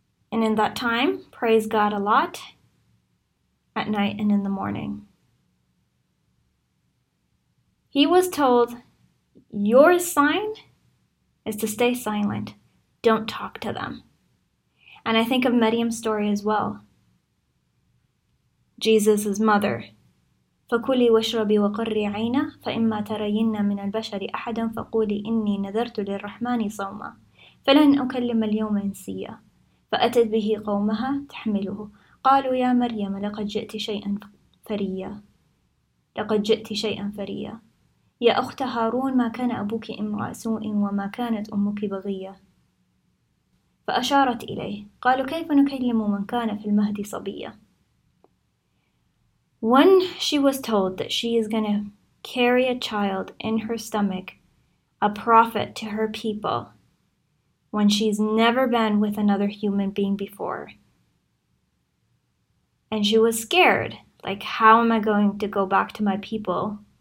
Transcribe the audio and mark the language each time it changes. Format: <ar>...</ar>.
<en>And in that time, praise God a lot at night and in the morning. He was told, your sign is to stay silent. Don't talk to them. And I think of Maryam's story as well. Jesus' mother.</en> <ar>فَكُلِي وَشْرَبِي وَقَرِّي عَيْنَا فَإِمَّا تَرَيِنَّ مِنَ الْبَشَرِ أَحَدًا فَقُولِ إِنِّي نَذَرْتُ لِلرَّحْمَنِ صَوْمًا فَلَنْ أُكَلِّمَ الْيَوْمَ إِنْسِيًّا فَأَتَتْ بِهِ قَوْمَهَا تَحْمِلُهُ قَالُوا يَا مَرْيَمَ لَقَدْ جِئْتِ شَيْئًا فَرِيًّا يا أخت هارون ما كان أبوك امرأ سوء وما كانت أمك بغية فأشارت إليه قالوا كيف نكلم من كان في المهد صبية.</ar> <en>When she was told that she is going to carry a child in her stomach, a prophet to her people, when she's never been with another human being before, and she was scared, like, how am I going to go back to my people?</en>